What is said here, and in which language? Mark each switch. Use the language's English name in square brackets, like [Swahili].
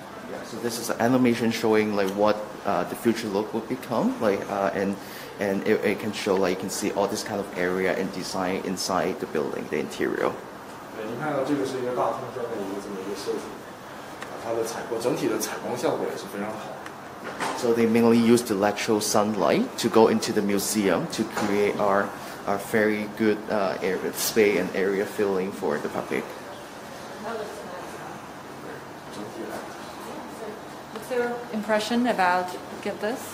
[English] Yeah, so this is an animation showing like what the future look would become like, and it can show like you can see all this kind of area and design inside the building, the interior. [Chinese] 对，您看到这个是一个大通砖的一个这么一个设计，它的采光整体的采光效果也是非常好。 [English] So they mainly use the natural sunlight to go into the museum to create our very good area space and area feeling for the public. Your impression about get this?